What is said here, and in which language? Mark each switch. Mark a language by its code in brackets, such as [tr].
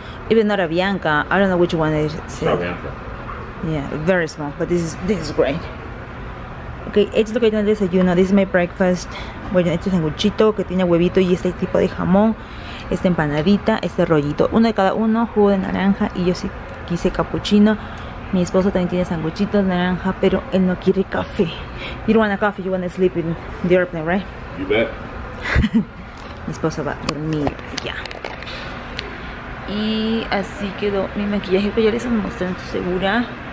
[en] Even not Avianca, I don't know which one it is. Avianca. Yeah, very small, but this is great. [es] Okay, esto es lo que tengo en el desayuno. [en] This is my breakfast. [es] Bueno, este sanguchito que tiene huevito y este tipo de jamón. Esta empanadita, este rollito. Uno de cada uno, jugo de naranja. Y yo sí quise cappuccino. Mi esposo también tiene sanguchitos de naranja, pero él no quiere café. [en] You don't want a coffee, you want to sleep in the airplane, right? You bet. [es] Mi esposo va a dormir allá. Y así quedó mi maquillaje, que ya les mostré, estoy segura.